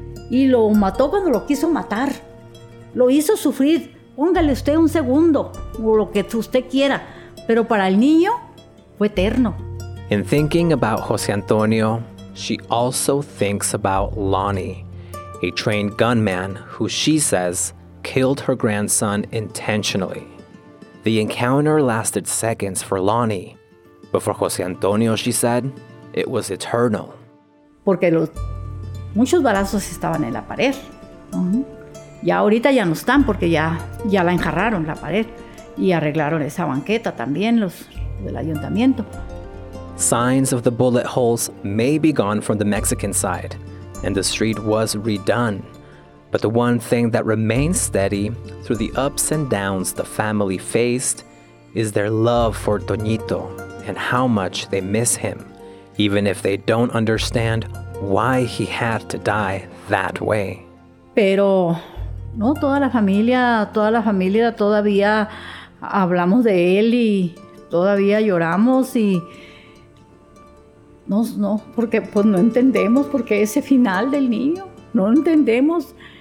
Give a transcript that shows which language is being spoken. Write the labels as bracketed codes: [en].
[es] Y lo mató cuando lo quiso matar. Lo hizo sufrir, póngale usted un segundo, o lo que usted quiera. Pero para el niño, fue eterno. [en] In thinking about José Antonio, she also thinks about Lonnie, a trained gunman who she says killed her grandson intentionally. The encounter lasted seconds for Lonnie, but for Jose Antonio, she said, it was eternal. [es] Porque muchos balazos estaban en la pared. Ya ahorita ya no están porque ya la enjarraron la pared y arreglaron esa banqueta también los del ayuntamiento. [en] Signs of the bullet holes may be gone from the Mexican side, and the street was redone. But the one thing that remains steady through the ups and downs the family faced is their love for Toñito and how much they miss him, even if they don't understand why he had to die that way. [es] Pero no, toda la familia todavía hablamos de él y todavía lloramos y no, porque pues no entendemos por qué ese final del niño, no entendemos.